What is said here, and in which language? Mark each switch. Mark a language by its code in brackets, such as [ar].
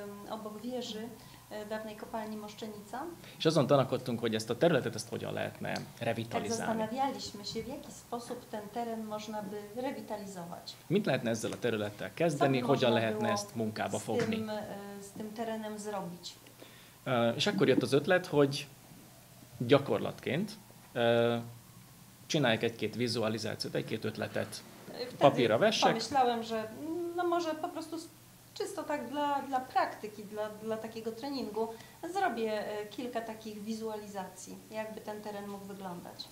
[pl] Obok wieży dawnej kopalni Moszczenica. [hu] És azon tanakodtunk, hogy ezt a területet ezt hogyan lehetne revitalizálni. [pl] Tak zastanawialiśmy się, w jaki sposób ten teren można by revitalizować. [hu] Mit lehetne ezzel a területtel kezdeni, hogyan lehetne ezt munkába fogni. [pl] Z tym terenem zrobić. [hu] És akkor jött az ötlet, hogy gyakorlatként csinálják egy-két vizualizációt, egy-két ötletet papírra vessek. [pl] Pomyślałem, że no może po prostu czysto tak dla praktyki, dla takiego treningu zrobię kilka takich wizualizacji, jakby ten teren mógł wyglądać.